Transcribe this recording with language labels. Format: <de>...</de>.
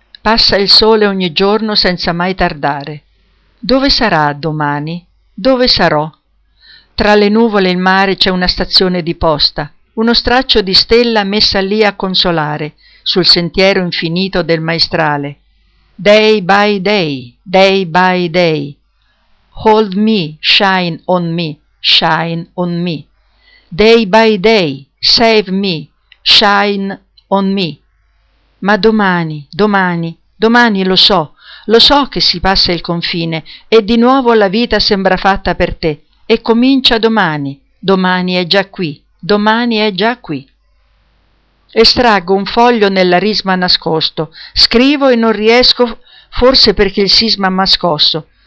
<it>Passa il sole ogni giorno senza mai tardare. Dove sarà domani? Dove sarò? Tra le nuvole e il mare c'è una stazione di posta, uno straccio di stella messa lì a consolare, sul sentiero infinito del maestrale.</it> <en>Day by day, day by day. Hold me, shine on me, shine on me. Day by day, save me, shine on me.</en> <it>Ma domani, domani, domani lo so che si passa il confine e di nuovo la vita sembra fatta per te e comincia domani, domani è già qui, domani è già qui. Estraggo un foglio nella risma nascosto, scrivo e non riesco, forse perché il sisma m'ha scosso.</it>